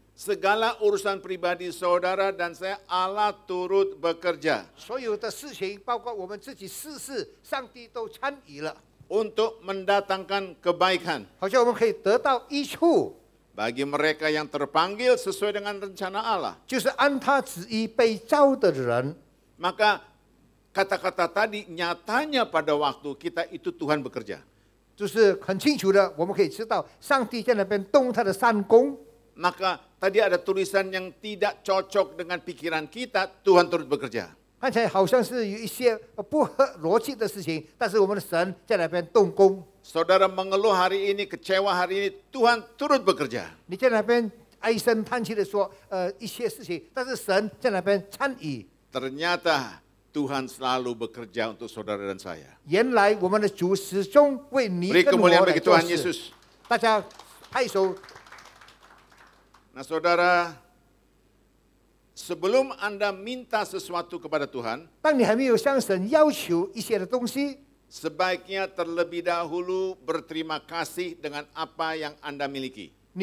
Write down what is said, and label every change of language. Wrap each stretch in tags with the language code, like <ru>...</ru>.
<id>Segala urusan pribadi saudara dan saya Allah turut bekerja.</id> <zh>所有的事情， 包括我们自己事事， 上帝都参与了。</zh> <id>Untuk mendatangkan kebaikan，</id> <zh>好像我们可以得到益处。</zh> <id>Bagi mereka yang terpanggil sesuai dengan rencana Allah.</id> <zh>就是按他旨意被召的人。</zh> <id>Maka kata-kata tadi nyatanya pada waktu kita itu Tuhan bekerja.</id> <zh>就是很清楚的，我们可以知道上帝在那边动他的善工。</zh> <id>maka tadi ada tulisan yang tidak cocok dengan pikiran kita, Tuhan turut bekerja.</id> <zh>看起来好像是有一些不合逻辑的事情，但是我们的神在那边动工。</zh> <id>Saudara mengeluh hari ini, kecewa hari ini, Tuhan turut bekerja.</id> <zh>你在那边唉声叹气的说，一些事情，但是神在那边参与。</zh> <id>Ternyata Tuhan selalu bekerja untuk saudara dan saya.</id> <zh>原来我们的主始终为你跟我来做事。</zh> <id>Beri kemuliaan bagi Tuhan Yesus.</id> <zh>大家拍手。</zh> <id>Nah, saudara, sebelum Anda minta sesuatu kepada Tuhan,</id> <zh>当你还没有向神要求一些的东西，</zh> <id>sebaiknya terlebih dahulu berterima kasih dengan apa yang Anda miliki.</id>